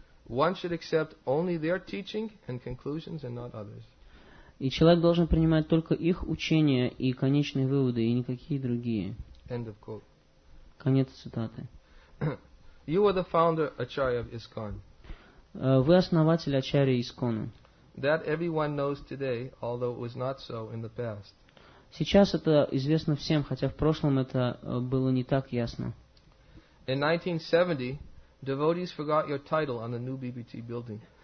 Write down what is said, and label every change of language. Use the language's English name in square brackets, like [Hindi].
[English] One should accept only their teaching and conclusions and not others. [Russian] И человек должен принимать только их учения и конечные выводы, и никакие другие. [English] End of quote. [Russian] Конец цитаты. [English] You are the founder Acharya of ISKCON. [Russian] Вы основатель Ачарьи ИСККОНа. [English] That everyone knows today, although it was not so in the past. [Russian] Сейчас это известно всем, хотя в прошлом это было не так ясно. [English] In 1970, devotees forgot your title on the new BBT building.